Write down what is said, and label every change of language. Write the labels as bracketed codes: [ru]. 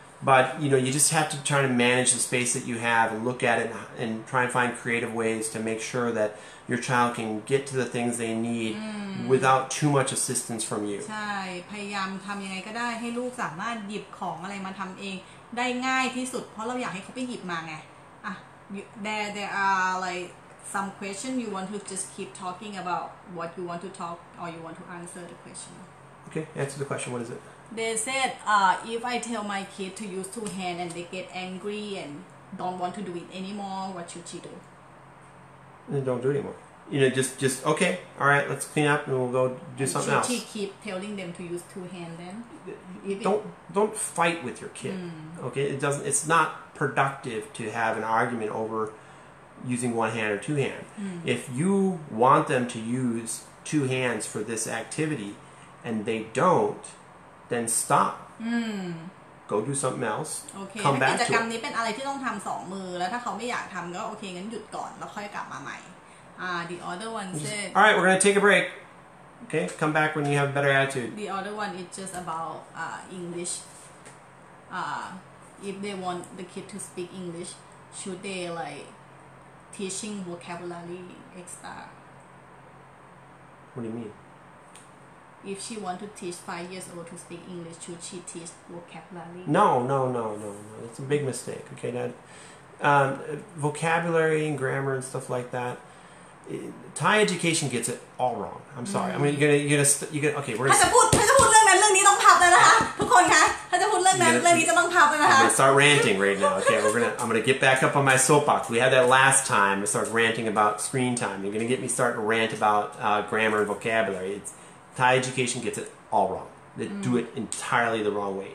[en] But you know, you just have to try to manage the space that you have and look at it and try and find creative ways to make sure that your child can get to the things they need without too much assistance from you. [th] ใช่พยายามทำยังไงก็ได้ให้ลูกสามารถหยิบของอะไรมาทำเองได้ง่ายที่สุดเพราะเราอยากให้เขาไปหยิบมาไงอ่ะ [en] there are like. Some question you want to just keep talking about what you want to talk or you want to answer the question. Okay, answer the question. What is it? They said, if I tell my kid to use two hands and they get angry and don't want to do it anymore, what should she do? Then don't do it anymore. You know, just okay. All right, let's clean up and we'll go do something else. Should she keep telling them to use two hands then? Don't fight with your kid. Okay, it's not productive to have an argument over. Using one hand or two hand. If you want them to use two hands for this activity and they don't, then stop. Go do something else. Okay. Come back to it. [th] กิจกรรมนี้เป็นอะไรที่ต้องทำสองมือแล้วถ้าเขาไม่อยากทำก็โอเคงั้นหยุดก่อนแล้วค่อยกลับมาใหม่ [en] The other one said, All right, we're going to take a break. Okay, come back when you have a better attitude. The other one is just about English. If they want the kid to speak English, should they like... Teaching vocabulary extra. What do you mean? If she want to teach 5 years old to speak English, should she teach vocabulary? No. That's a big mistake. Okay, Dad. Vocabulary and grammar and stuff like that. Thai education gets it all wrong. I'm sorry. I mean, you're gonna. Okay, we're. Gonna... [th] องพับแล้วนะคะทุกคนคะถ้าจะพูดเรื่องนั้นเรื่องนี้จะต้องพับแล้วนะคะ [en] I'm gonna start ranting right now. Okay, I'm gonna get back up on my soapbox. We had that last time. I started ranting about screen time. You're gonna get me start to rant about grammar and vocabulary. It's, Thai education gets it all wrong. They do it entirely the wrong way.